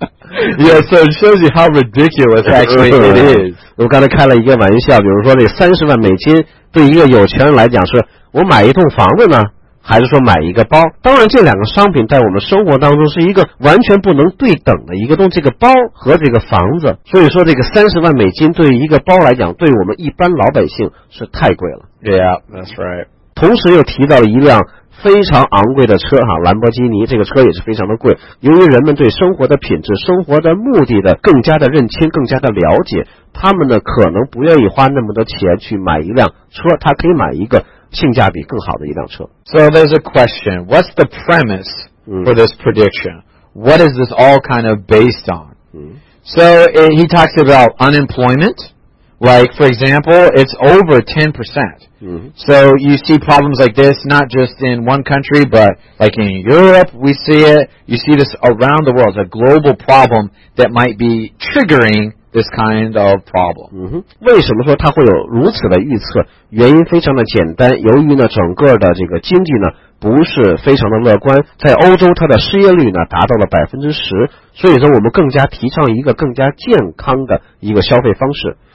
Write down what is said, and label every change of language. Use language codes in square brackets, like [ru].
[en] Yeah, so it shows you how ridiculous actually it is. [zh] 我刚才开了一个玩笑，比如说这$300,000对一个有钱人来讲是我买一栋房子呢，还是说买一个包？当然，这两个商品在我们生活当中是一个完全不能对等的一个东西，这个包和这个房子。所以说，这个$300,000对于一个包来讲，对我们一般老百姓是太贵了。 [en] Yeah, that's right. [zh] 同时又提到了一辆非常昂贵的车哈，兰博基尼，这个车也是非常的贵。由于人们对生活的品质、生活的目的的更加的认清、更加的了解，他们呢可能不愿意花那么多钱去买一辆车，他可以买一个性价比更好的一辆车。 [en] So there's a question: What's the premise for this prediction? What is this all kind of based on? So he talks about unemployment. Like, for example, it's over 10%. So you see problems like this, not just in one country, but like in Europe, we see it. You see this around the world, a global problem that might be triggering this kind of problem. [zh] 为什么说它会有如此的预测？原因非常的简单，由于呢整个的这个经济呢不是非常的乐观，在欧洲它的失业率呢达到了10%，所以说我们更加提倡一个更加健康的一个消费方式。